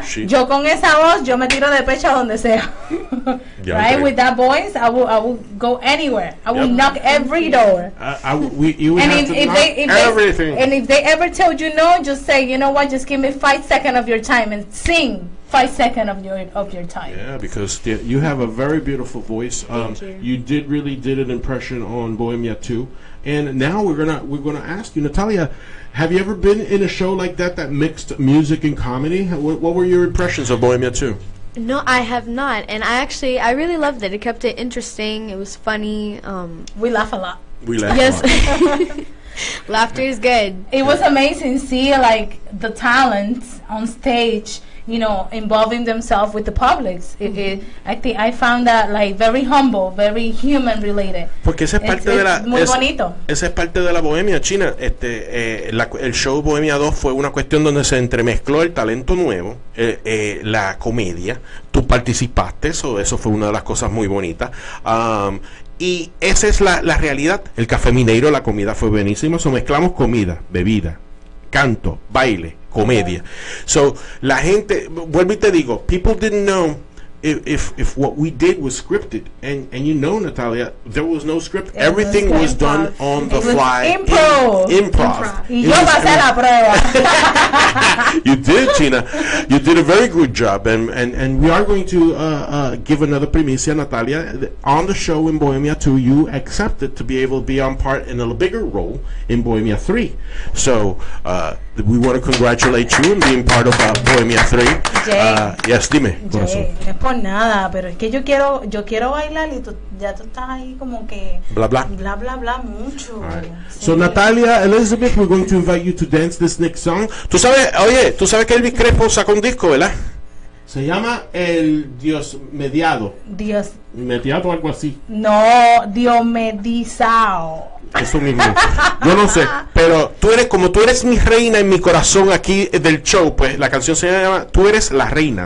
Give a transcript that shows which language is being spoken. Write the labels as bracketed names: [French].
[Spanish] Yep, yo con esa voz, yo me tiro de pecho a donde sea. [English] Yep, right? Okay. With that voice, I will go anywhere. I will knock every door. And if they ever told you no, just say, you know what? Just give me 5 seconds of your time and sing. 5 seconds of your time. Yeah, because you have a very beautiful voice. Thank you. You really did an impression on Bohemia 2. And now we're gonna ask you, Natalia, have you ever been in a show like that mixed music and comedy? What were your impressions of Bohemia 2? No, I have not. And I really loved it. It kept it interesting. It was funny. We laugh a lot. We laugh. Yes. Laughter is good. It was amazing. See, like, the talent on stage, you know, involving themselves with the public. Mm-hmm. I think I found that like very humble, very human related. [Spanish] Porque esa es parte [English] it's [Spanish] de la muy es, bonito. Esa es parte de la bohemia china. El show Bohemia 2 fue una cuestión donde se entremezcló el talento nuevo, la comedia. Tú participaste, eso fue una de las cosas muy bonitas. Y esa es la realidad. El café mineiro, la comida fue buenísima. So mezclamos comida, bebida, canto, baile, comedia. Okay. So, la gente, vuelvo y te digo, [English] people didn't know if what we did was scripted, and you know, Natalia, there was no script. It Everything was done on the fly. Improv. [Spanish] Y yo pasé la prueba. [English] You did, Tina. You did a very good job. And we are going to give another primicia, Natalia. On the show in Bohemia 2, you accepted to be able to be on part in a bigger role in Bohemia 3. So we want to congratulate you on being part of Bohemia 3. Jay. [Spanish] Yes, dime. Jay, es por nada, pero es que yo quiero bailar y ya tú estás ahí como que... Bla, bla. Bla, bla, bla, mucho. [English] Right. Sí. So, Natalia, Elizabeth, we're going to invite you to dance this next song. [Spanish] Tú sabes, oye, tú sabes que Elvis Crespo sacó un disco, ¿verdad? Se llama El Dios Mediado. Dios. Mediado, algo así. No, Dios Medizao. Eso mismo. Yo no sé, pero tú eres, como tú eres mi reina en mi corazón aquí del show, pues la canción se llama Tú Eres la Reina.